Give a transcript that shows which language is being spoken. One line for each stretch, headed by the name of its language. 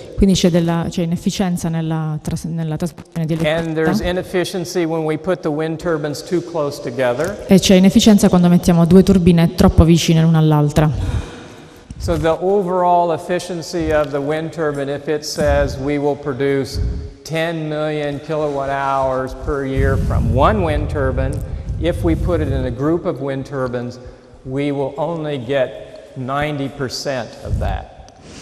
Italian: Quindi c'è inefficienza nella trasmissione di elettricità.
English: And there's inefficiency when we put the wind turbines too close together.
Italian: E c'è inefficienza quando mettiamo due turbine troppo vicine l'una all'altra.
English: So the overall efficiency of the wind turbine, if it says we will produce 10 million kilowatt hours per year from one wind turbine, if we put it in a group of wind turbines, we will only get 90% of that.